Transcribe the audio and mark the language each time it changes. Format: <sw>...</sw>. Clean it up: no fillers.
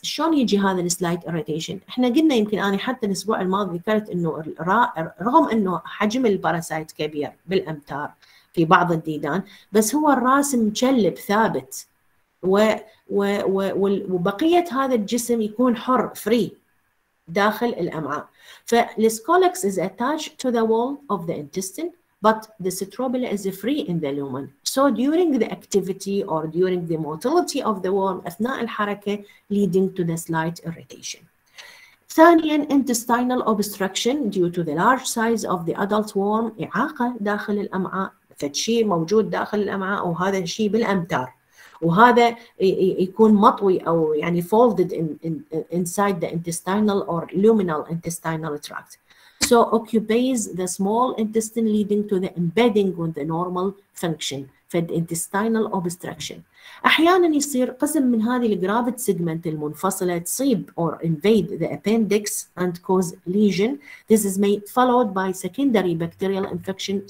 <ar>شلون يجي هذا slight irritation؟ إحنا قلنا يمكن أنا حتى الأسبوع الماضي ذكرت إنه رغم إنه حجم الباراسايت كبير بالأمتار في بعض الديدان، بس هو الرأس مشلب ثابت وبقية هذا الجسم يكون حر free داخل الأمعاء.</ar> <en>فالـ scolex is attached to the wall of the intestine. But the citrobile is free in the lumen. So during the activity or during the motility of the worm,</en> <ar>أثناء الحركة,</ar> <en>leading to the slight irritation. ثانيا, intestinal obstruction due to the large size of the adult worm,</en> <ar>إعاقة داخل الأمعاء, فشيء موجود داخل الأمعاء وهذا الشيء بالأمتار. وهذا يكون مطوي أو يعني</ar> <en>folded inside the intestinal or luminal intestinal tract. So occupies the small intestine leading to the embedding with the normal function for the intestinal obstruction.</en> <ar>أحياناً يصير قسم من هذه الجرافت سيجمنت المنفصلة تصيب</ar> <en>or invade the appendix and cause lesion. This is made followed by secondary bacterial infection.</en>